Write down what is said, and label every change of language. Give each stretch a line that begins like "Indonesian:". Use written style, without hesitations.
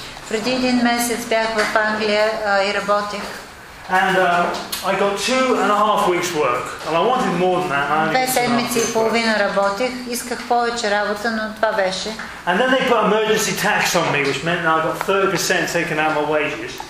Bulgarian: Преди един месец бях в Англия и работех.
English: And I got 2.5 weeks work, and I wanted more than that.
Bulgarian: Две седмици и половина работех, исках повече работа, но това беше.
English: And then they put emergency tax on me, which meant that I got 30% taken out of my wages.